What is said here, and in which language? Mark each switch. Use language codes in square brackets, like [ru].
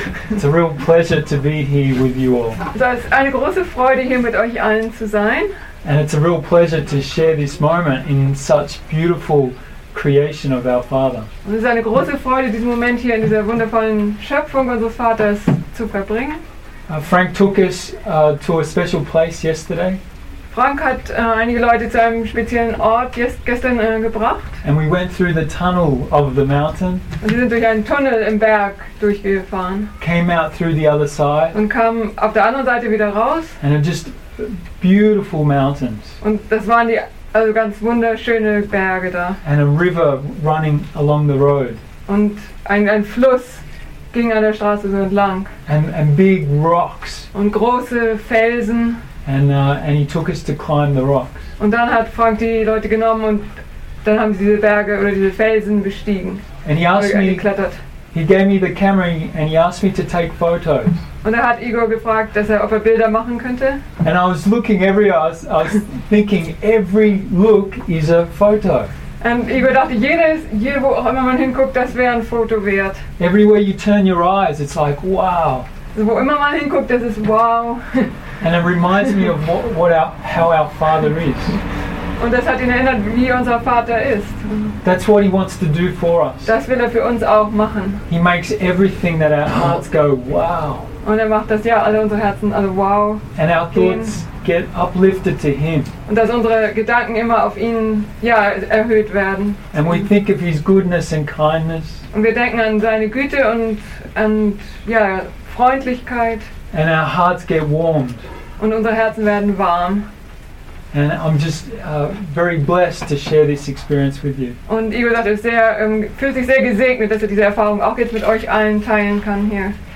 [en] It's a real pleasure to be here with you all. [de] So es ist eine große Freude, hier mit euch allen zu sein. [en] And it's a real pleasure to share this moment in such beautiful creation of our Father. [de] Und es ist eine große Freude, diesen Moment hier in dieser wundervollen Schöpfung unseres Vaters zu verbringen. [en] Frank took us to a special place yesterday. [de] Frank hat einige Leute zu einem speziellen Ort gestern gebracht. [en] And we went through the tunnel of the mountain. [de] Und wir sind durch einen Tunnel im Berg durchgefahren. [en] Came out through the other side. [de] Und kamen auf der anderen Seite wieder raus. [en] And just beautiful mountains. [de] Und das waren die also ganz wunderschöne Berge da. [en] And a river running along the road. [de] Und ein Fluss ging an der Straße so entlang. [en] And big rocks. [de] Und große Felsen. [en] And he took us to climb the rocks. [de] Und dann hat Frank die Leute genommen und dann haben sie diese Berge oder diese Felsen bestiegen. [en] And he asked me, [de] geklettert. [en] He gave me the camera and he asked me to take photos. [de] Und hat Igor gefragt, dass ob Bilder machen könnte. [en] And I was looking I was thinking every look is a photo. [de] Und Igor dachte, jede, wo auch immer man hinguckt, das wäre ein Foto wert. [en] Everywhere you turn your eyes, it's like, wow. [de] Wo immer man hinguckt, das ist wow. [en] And it reminds me of how our Father is. [de] Und das hat ihn erinnert, wie unser Vater ist. [en] That's what he wants to do for us. [de] Das will für uns auch machen. [en] He makes everything that our hearts go, wow. [de] Und macht, dass ja alle unsere Herzen, alle wow. [en] And our thoughts get uplifted to him. [de] Und dass unsere Gedanken immer auf ihn, ja, erhöht werden. [en] And we think of his goodness and kindness. [de] Und wir denken an seine Güte und ja, Freundlichkeit. [en] And our hearts get warmed. [de] Und unsere Herzen werden warm. [en] And I'm just very blessed to share this experience with you. [de] Und Igor sagt, er sehr, fühlt sich sehr gesegnet, dass er diese Erfahrung auch jetzt mit euch allen teilen kann hier.